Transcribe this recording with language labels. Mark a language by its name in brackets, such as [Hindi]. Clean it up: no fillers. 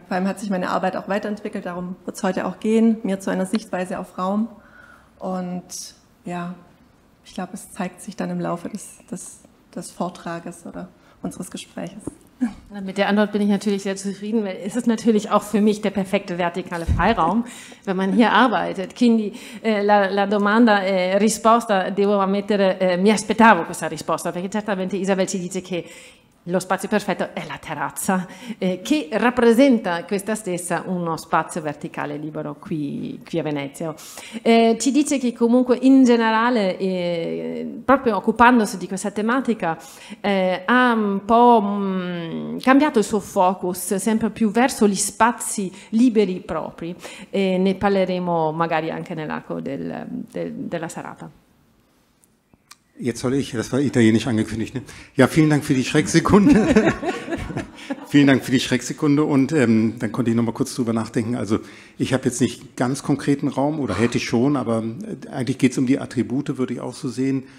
[German] Vor allem hat sich meine Arbeit auch weiterentwickelt, darum wird es heute auch gehen, mir zu einer Sichtweise auf Raum. Und ja, ich glaube, es zeigt sich dann im Laufe des Vortrages oder unseres Gespräches. Mit der Antwort bin ich natürlich sehr zufrieden, weil es ist natürlich auch für mich der perfekte vertikale Freiraum, wenn man hier arbeitet. [Italian] Quindi la domanda e risposta, devo ammettere, mi aspettavo questa risposta, perché certamente Isabel ci dice che lo spazio perfetto è la terrazza, che rappresenta questa stessa uno spazio verticale libero qui a Venezia. Ci dice che comunque in generale, proprio occupandosi di questa tematica, ha un po' cambiato il suo focus sempre più verso gli spazi liberi propri, e ne parleremo magari anche nell'arco della serata. [German] Jetzt soll ich, das war italienisch angekündigt. Ne? Ja, vielen Dank für die Schrecksekunde. Vielen Dank für die Schrecksekunde. Und dann konnte ich nochmal kurz drüber nachdenken. Also ich habe jetzt nicht ganz konkreten Raum, oder hätte ich schon, aber eigentlich geht es um die Attribute, würde ich auch so sehen.